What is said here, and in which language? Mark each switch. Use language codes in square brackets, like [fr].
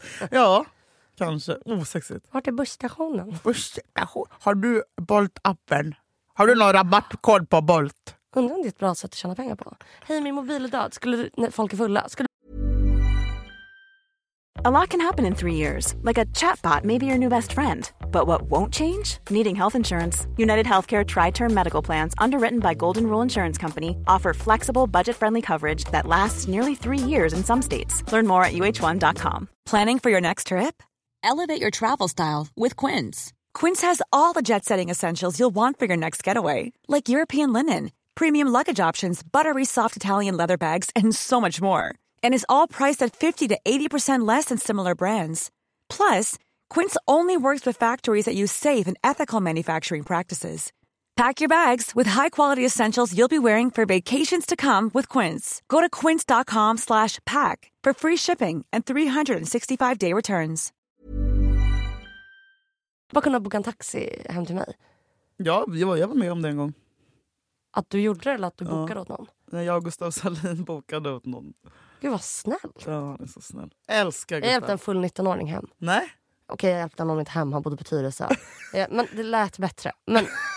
[sv] Ja, kanske. Osexigt. Vart är busstationen? Har du Bolt-appen? Har du någon rabattkod på Bolt? Undrar om det är ett bra sätt att tjäna pengar på. Hej, min mobil är död. Skulle du, när folk är fulla, skulle [en] A lot can happen in 3 years, like a chatbot may be your new best friend. But what won't change? Needing health insurance. UnitedHealthcare Tri-Term Medical Plans, underwritten by Golden Rule Insurance Company, offer flexible, budget-friendly coverage that lasts nearly 3 years in some states. Learn more at uh1.com. Planning for your next trip? Elevate your travel style with Quince. Quince has all the jet-setting essentials you'll want for your next getaway, like European linen, premium luggage options, buttery soft Italian leather bags, and so much more. And is all priced at 50 to 80% less than similar brands. Plus, Quince only works with factories that use safe and ethical manufacturing practices. Pack your bags with high-quality essentials you'll be wearing for vacations to come with Quince. Go to quince.com/pack for free shipping and 365-day returns. [sv] Bara kunna boka en taxi hem till mig. Ja, jag var med om det en gång. Att du gjorde det eller att du bokade åt någon? Nej, jag och Gustav Salin bokade åt någon. Gud vad snäll. Ja, han är så snäll. Älskar Gustav. Jag hjälpte en full 19-åring hem. Nej. Okej, jag hjälpte honom inte hem. Han bodde på Tyresö. Men det lät bättre. Men